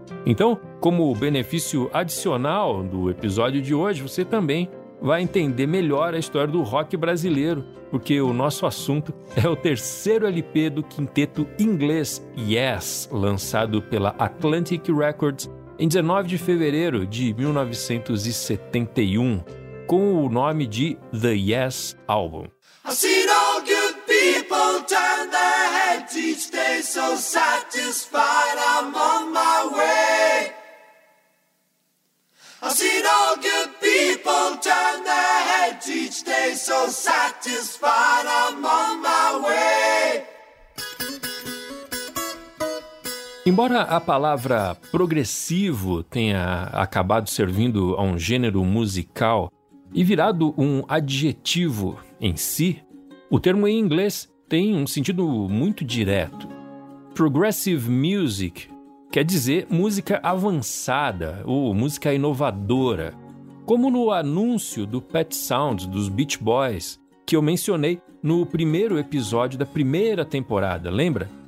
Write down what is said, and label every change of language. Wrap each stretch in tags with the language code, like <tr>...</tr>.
<pt>Então, como benefício adicional do episódio de hoje, você também vai entender melhor a história do rock brasileiro, porque o nosso assunto é o terceiro LP do quinteto inglês Yes, lançado pela Atlantic Records em 19 de fevereiro de 1971, com o nome de The Yes Album.</pt> <en>I see all good people turn their heads each day, so satisfied I'm on my way. I see all good people turn their heads each day, so satisfied I'm on my way.</en> <pt>Embora a palavra progressivo tenha acabado servindo a um gênero musical e virado um adjetivo em si, o termo em inglês tem um sentido muito direto.</pt> <en>Progressive music</en> <pt>quer dizer música avançada ou música inovadora, como no anúncio do Pet Sounds dos Beach Boys, que eu mencionei no primeiro episódio da primeira temporada, lembra?</pt>